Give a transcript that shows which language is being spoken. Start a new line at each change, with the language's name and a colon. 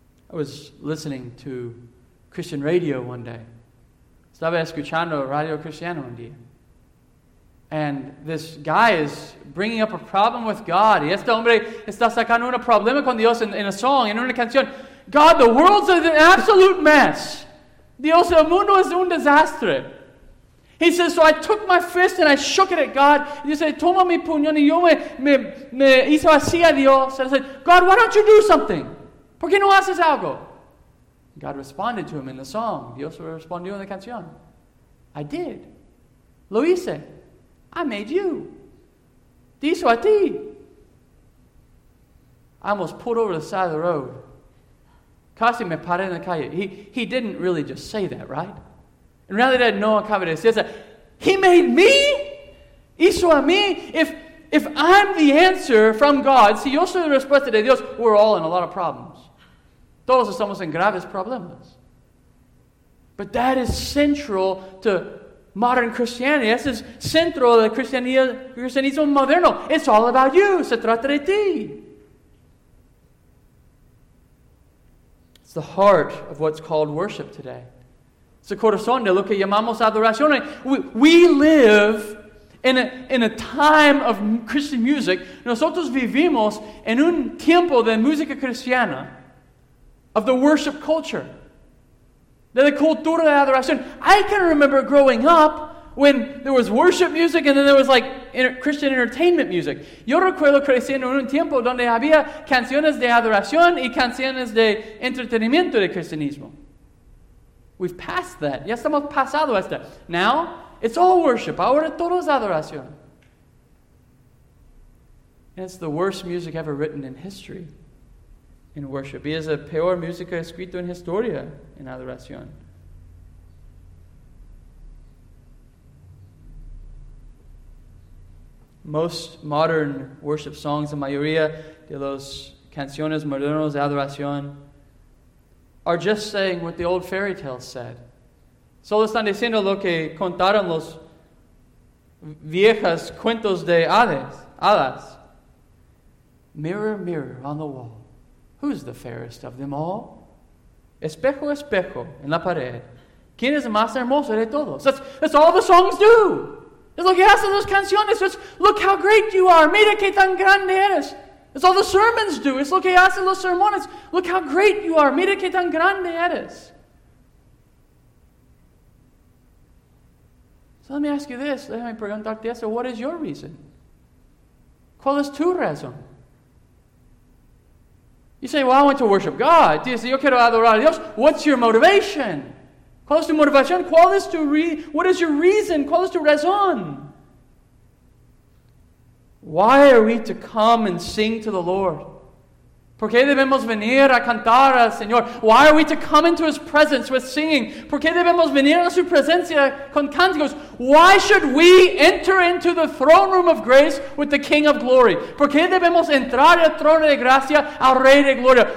English: I was listening to Christian radio one day.
Spanish: Estaba escuchando Radio Cristiano un día.
English: And this guy is bringing up a problem with God.
Spanish: Y este hombre está sacando un problema con Dios en
English: a song,
Spanish: en una canción.
English: God, the world's an absolute mess.
Spanish: Dios, el mundo es un desastre.
English: He says, so I took my fist and I shook it at God. And he said,
Spanish: toma mi puño y yo me hizo así a Dios.
English: And I said, God, why don't you do something?
Spanish: ¿Por qué no haces algo?
English: God responded to him in the song.
Spanish: Dios respondió en la canción.
English: I did.
Spanish: Lo hice.
English: I made you.
Spanish: Te hizo a ti.
English: I almost pulled over the side of the road. Casi me paré en la calle. He didn't really just say that, right? In reality,
Spanish: no acaba de decir eso.
English: He made me?
Spanish: Hizo a mí?
English: If I'm the answer from God,
Spanish: si yo soy la respuesta de Dios,
English: we're all in a lot of problems.
Spanish: Todos estamos en graves problemas.
English: But that is central to modern Christianity.
Spanish: Eso es central to Cristianismo moderno.
English: It's all about you.
Spanish: Se trata de ti.
English: It's the heart of what's called worship today.
Spanish: Es el corazón de lo que llamamos adoración.
English: We live in a time of Christian music.
Spanish: Nosotros vivimos en un tiempo de música cristiana.
English: Of the worship culture.
Spanish: De la cultura de adoración.
English: I can remember growing up when there was worship music and then there was like Christian entertainment music.
Spanish: Yo recuerdo creciendo en un tiempo donde había canciones de adoración y canciones de entretenimiento de cristianismo.
English: We've passed that.
Spanish: Ya estamos pasado esto.
English: Now, it's all worship.
Spanish: Ahora todo es adoración.
English: And it's the worst music ever written in history. In worship.
Spanish: Y es la peor música escrita en historia en adoración.
English: Most modern worship songs,
Spanish: la mayoría de las canciones modernas de adoración,
English: are just saying what the old fairy tales said.
Spanish: Solo están diciendo lo que contaron los viejas cuentos de hadas.
English: Mirror, mirror on the wall, who's the fairest of them all?
Spanish: Espejo, espejo, en la pared, ¿quién es más hermoso de todos?
English: That's all the songs do.
Spanish: Es lo que hacen las canciones.
English: It's look how great you are.
Spanish: Mira que tan grande eres.
English: It's all the sermons do.
Spanish: Es lo que hacen los sermones.
English: Look how great you are.
Spanish: Mira que tan grande eres.
English: So let me ask you this. Let me
Spanish: preguntarte eso.
English: What is your reason?
Spanish: ¿Cuál es tu razón?
English: You say, well, I want to worship God.
Spanish: Dice, yo quiero adorar a Dios.
English: What's your motivation?
Spanish: ¿Cuál es tu motivación? ¿Cuál es tu
English: what is your reason?
Spanish: ¿Cuál es tu razón?
English: Why are we to come and sing to the Lord?
Spanish: ¿Por qué debemos venir a cantar al Señor?
English: Why are we to come into His presence with singing?
Spanish: ¿Por qué debemos venir a su presencia con cánticos?
English: Why should we enter into the throne room of grace with the King of glory?
Spanish: ¿Por qué debemos entrar al trono de gracia al Rey de gloria?